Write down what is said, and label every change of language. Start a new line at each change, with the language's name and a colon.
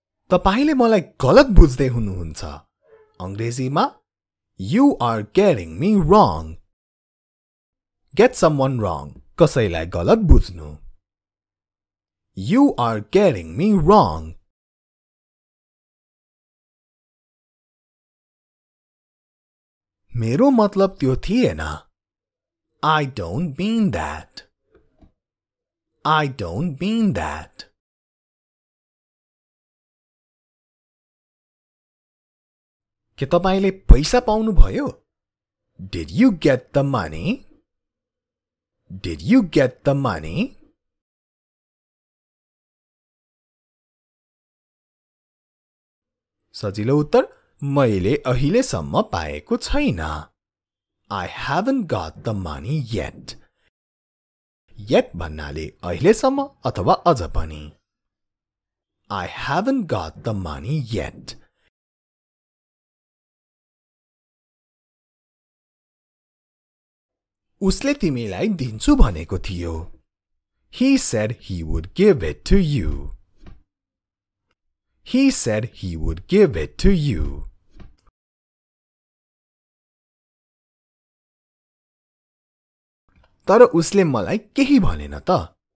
Nepali: तपाईले मलाई गलत बुझ्दै हुनुहुन्छ. अंग्रेजीमा
English: You are getting me wrong. Get someone wrong.
Nepali: कसैलाई गलत बुझ्नु.
English: You are getting me wrong.
Nepali: मेरो मतलब त्यो थिएन.
English: I don't mean that. I don't mean that.
Nepali: के तपाईले पैसा पाउनु भयो?
English: Did you get the money? Did you get the money?
Nepali: सजिलो उत्तर मैले अहिलेसम्म पाएको छैन.
English: I haven't got the money yet.
Nepali: Yet भन्नाले अहिलेसम्म अथवा अझ पनि.
English: I haven't got the money yet.
Nepali: उसले तिमीलाई दिन्छु भनेको थियो.
English: He said he would give it to you. He said he would give it to you.
Nepali: तर उसले मलाई केही भनेन त.